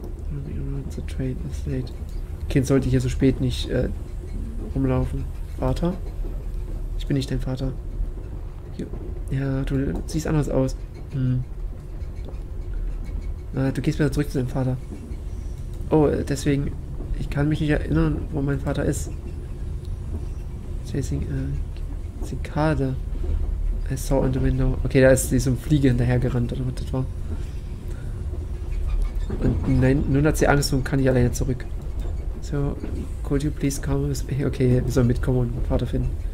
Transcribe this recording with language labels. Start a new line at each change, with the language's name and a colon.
English: Running around the train is late.
German: Kind sollte hier so spät nicht rumlaufen. Vater? Ich bin nicht dein Vater. Ja, du siehst anders aus. Hm. Du gehst wieder zurück zu deinem Vater. Oh, deswegen. Ich kann mich nicht erinnern, wo mein Vater ist.
English: Chasing a cicada I saw in the window.
German: Okay, da ist so ein Fliege hinterhergerannt, oder was das war. Und nein, nun hat sie Angst und kann nicht alleine zurück.
English: So, could you please come with me?
German: Okay, wir sollen mitkommen und meinen Vater finden.